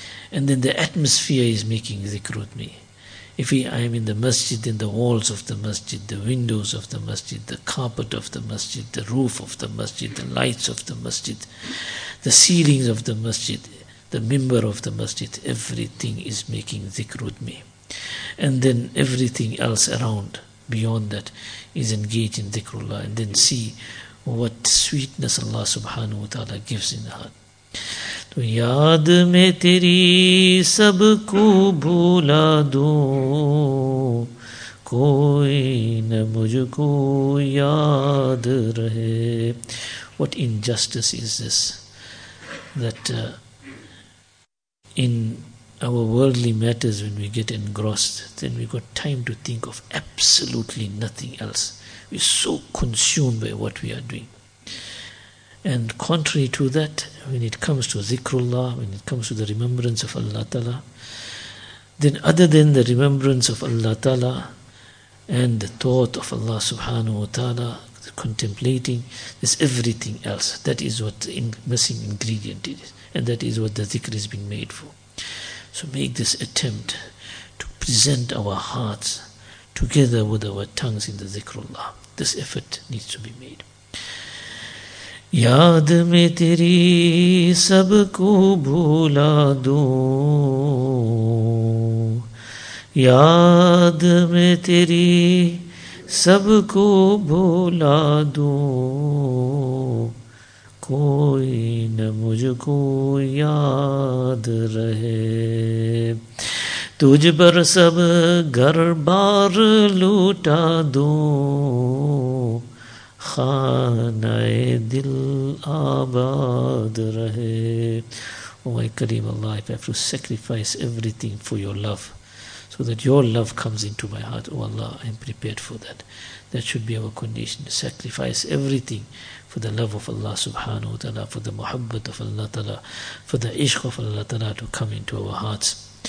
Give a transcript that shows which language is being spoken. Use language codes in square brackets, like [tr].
[en] And then the atmosphere is making dhikr with me. I am in the masjid, then the walls of the masjid, the windows of the masjid, the carpet of the masjid, the roof of the masjid, the lights of the masjid, the ceilings of the masjid, the minbar of the masjid, everything is making dhikr with me. And then everything else around, beyond that, is engaged in dhikrullah. And then see what sweetness Allah subhanahu wa ta'ala gives in the heart. [ur] تو یاد میں تیری سب کو بھولا دوں کوئی نہ مجھ کو یاد رہے. [en] What injustice is this? That in our worldly matters, when we get engrossed, then we got time to think of absolutely nothing else. We're so consumed by what we are doing. And contrary to that, when it comes to zikrullah, when it comes to the remembrance of Allah Ta'ala, then other than the remembrance of Allah Ta'ala and the thought of Allah subhanahu wa ta'ala, the contemplating, there's everything else. That is what the missing ingredient is. And that is what the zikr is being made for. So make this attempt to present our hearts together with our tongues in the zikrullah. This effort needs to be made. [ur] یاد میں تیری سب کو بھولا دوں یاد میں تیری سب کو بھولا دوں کوئی نہ مجھ کو یاد رہے تجھ پر سب گھر بار لوٹا دوں خانہِ دل آباد رہے. [en] Oh my Kareem Allah, if I have to sacrifice everything for your love, so that your love comes into my heart, oh Allah, I am prepared for that. That should be our condition, to sacrifice everything for the love of Allah subhanahu wa ta'ala, for the muhabbat of Allah ta'ala, for the ishq of Allah ta'ala to come into our hearts.